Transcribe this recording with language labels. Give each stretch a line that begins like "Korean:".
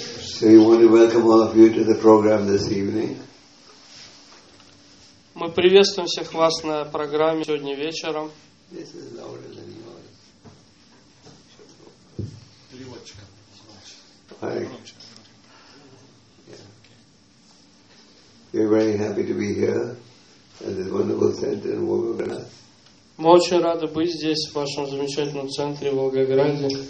English: So we want to welcome all of you to the program this evening.
Russian: Мы приветствуем всех вас на программе сегодня вечером.
English: This is louder than yours. Yeah. We're very happy to be here at this wonderful center in Volgograd.
Russian: Мы очень рады быть здесь, в вашем замечательном центре в Волгограде.